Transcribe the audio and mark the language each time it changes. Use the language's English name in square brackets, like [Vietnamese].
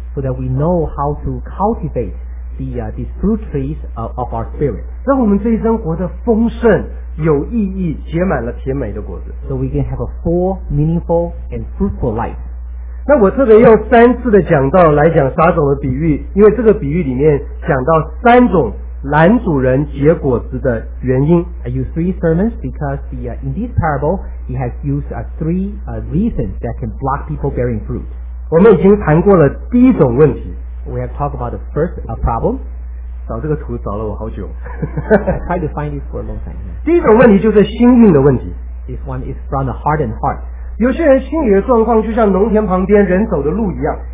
[English] So that we know how to cultivate these fruit trees of our spirit. [Chinese] 让我们这一生活得丰盛、有意义、结满了甜美的果子。 [English] So we can have a full, meaningful, and fruitful life. [Chinese] 那我特别用三次的讲道来讲撒种的比喻，因为这个比喻里面讲到三种拦阻人结果子的原因。 [English] I use three sermons because in this parable he has used three reasons that can block people bearing fruit. [Chinese] 我们已经谈过了第一种问题。 [English] We have talked about the first problem. [Chinese] 找这个图找了我好久。 [English] I tried to find it for a long time. [Chinese] 第一种问题就是心硬的问题。 [English] This one is from the hardened heart. [Chinese] 有些人心里的状况就像农田旁边人走的路一样。